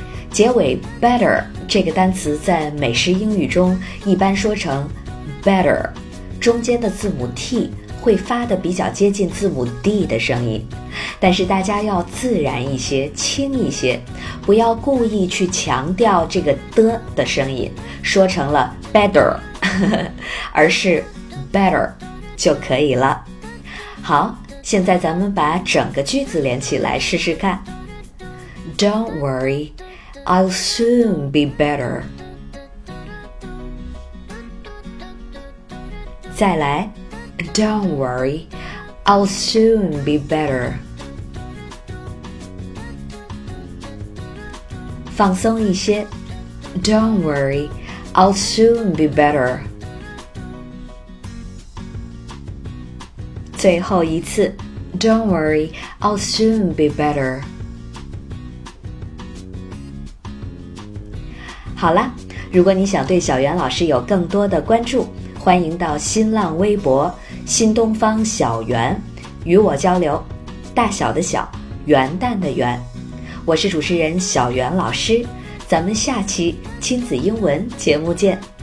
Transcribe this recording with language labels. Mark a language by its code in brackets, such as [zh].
[zh] 结尾 better 这个单词在美式英语中一般说成 better， 中间的字母 T 会发得比较接近字母 D 的声音，但是大家要自然一些，轻一些，不要故意去强调这个的的声音，说成了 better 而是 better 就可以了。好，现在咱们把整个句子连起来试试看。 [en] Don't worry, I'll soon be better. [zh] 再来， [en] Don't worry, I'll soon be better. [zh] 放松一些， [en] Don't worry, I'll soon be better. [zh] 最后一次， [en] Don't worry, I'll soon be better. [zh] 好了，如果你想对小袁老师有更多的关注，欢迎到新浪微博新东方小袁与我交流。大小的小，元旦的元，我是主持人小袁老师，咱们下期亲子英文节目见。